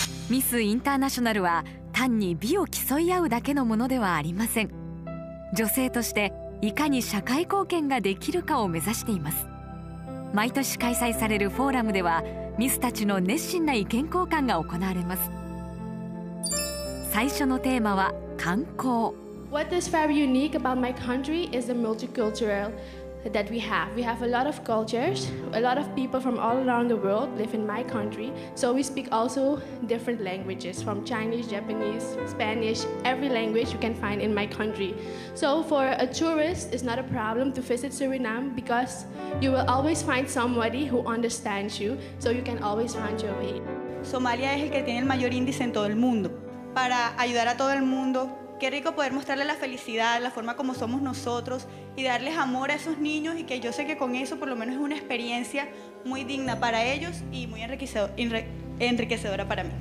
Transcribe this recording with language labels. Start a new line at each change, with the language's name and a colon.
Japanese: ミス・インターナショナルは単に美を競い合うだけのものではありません。女性としていかに社会貢献ができるかを目指しています。毎年開催されるフォーラムではミスたちの熱心な意見交換が行われます。最初のテーマは観光。
English: What is very unique about my country is the multicultural that we have. We have a lot of cultures, a lot of people from all around the world live in my country, so we speak also different languages from Chinese, Japanese, Spanish, every language you can find in my country. So for a tourist, it's not a problem to visit Suriname because you will always find somebody who understands you, so you can always find your way.
Spanish: Somalia es el que tiene el mayor índice en todo el mundo. Para ayudar a todo el mundo, qué rico poder mostrarle la felicidad, la forma como somos nosotros y darles amor a esos niños, y que yo sé que con eso por lo menos es una experiencia muy digna para ellos y muy enriquecedora para mí.